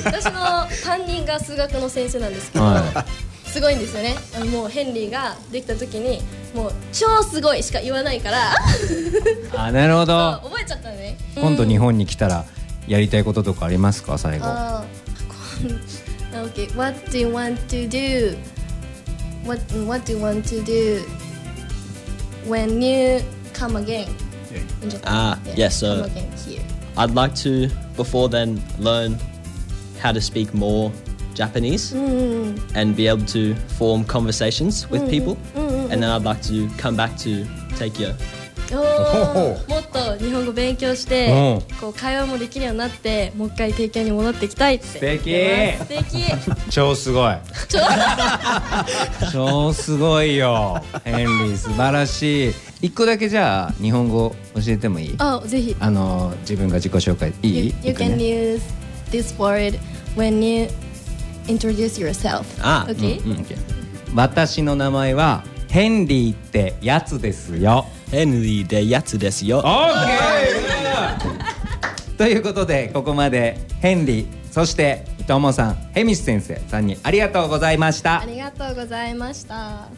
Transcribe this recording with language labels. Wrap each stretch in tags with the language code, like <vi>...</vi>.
<ja>私の担任が数学の先生なんですけど、はい、すごいんですよね。あのもうヘンリーができた時に、もう超すごいしか言わないから。あ、なるほど。覚えちゃったね。今度日本に来たらやりたいこととかありますか、最後。</ja> <en>あ、OK。What do you want to do? What do you want to do when you come again? Yes, so I'd like to, before then, learn how to speak more Japanese and be able to form conversations with people. And then I'd like to come back to Tokyo.</en> <ja>Oh, もっと日本語勉強して、こう会話もできるようになって、もう一回東京に戻ってきたいって。素敵。素敵。超すごい。超すごいよ、ヘンリー、素晴らしい。一個だけじゃあ日本語教えてもいい？あ、ぜひ。あの、自分が自己紹介いい？</ja> <en>You can use this word when you introduce yourself. Okay?</en> <ja>私の名前はヘンリーってやつですよ。ヘンリーってやつですよ。</ja> <en>OK!</en> <ja>ということで、ここまでヘンリー、そして伊藤さん、ヘミス先生さんにありがとうございました。ありがとうございました。</ja>